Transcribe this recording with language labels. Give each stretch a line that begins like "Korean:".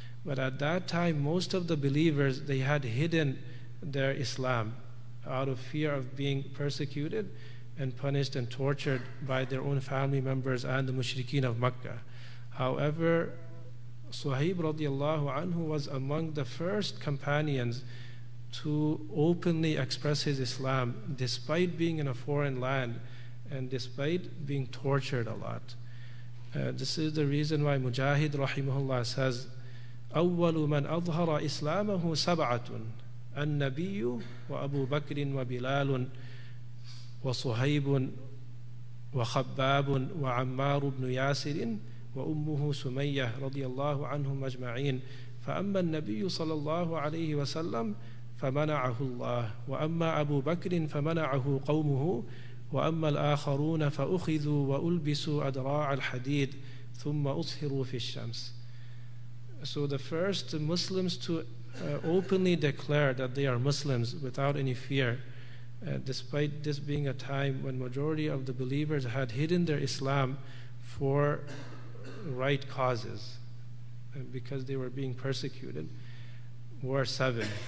English: But at that time, most of the believers, they had hidden their Islam out of fear of being persecuted and punished and tortured by their own family members and the mushrikeen of Mecca. However, Suhaib radiallahu anhu was among the first companions to openly express his Islam despite being in a foreign land and despite being tortured a lot. This is the reason why Mujahid rahimahullah says,
Arabic: أَوَّلُ مَنْ أَظْهَرَ إِسْلَامَهُ سَبْعَةٌ النَّبِيُّ وَأَبُو بَكْرٍ وَبِلَالٌ وَصُهَيْبٌ وَخَبَّابٌ وَعَمَّارُ بْنُ يَاسِرٍ وَأُمُّهُ سُمَيَّةٌ رضي الله عنهم أجمعين فأما النبي صلى الله عليه وسلم فمنعه الله وأما أبو بكر فمنعه قومه وأما الآخرون فأخذوا وألبسوا أدراع الحديد ثم أصهروا في الشمس.
English: So the first Muslims to openly declare that they are Muslims without any fear, despite this being a time when majority of the believers had hidden their Islam for right causes, because they were being persecuted, were seven.